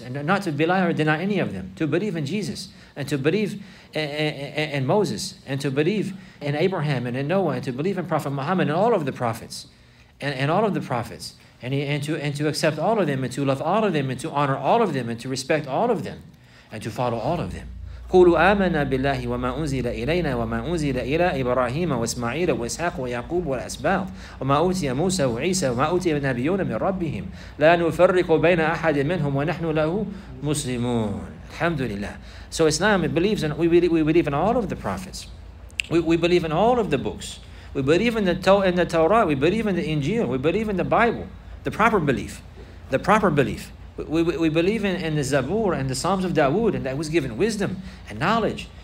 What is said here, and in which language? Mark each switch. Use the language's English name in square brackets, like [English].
[English] And not to belie or deny any of them. To believe in Jesus. And to believe in Moses. And to believe in Abraham and in Noah. And to believe in Prophet Muhammad and all of the prophets. And all of the prophets. And to accept all of them. And to love all of them. And to honor all of them. And to respect all of them. And to follow all of them. [Arabic] قولوا آمنا بالله وما أنزل إلينا وما أنزل إلى إبراهيم وإسماعيل وإسحاق ويعقوب والأسباط وما أوتي موسى وعيسى وما أوتي النبيون من ربهم لا نفرق بين أحد منهم ونحن له مسلمون الحمد لله. [English] So Islam believes in, we believe in all of the prophets. We believe in all of the books. We believe in the Torah. We believe in the Injil. We believe in the Bible. The proper belief. The proper belief. We believe in the Zabur and the Psalms of Dawood, and that was given wisdom and knowledge.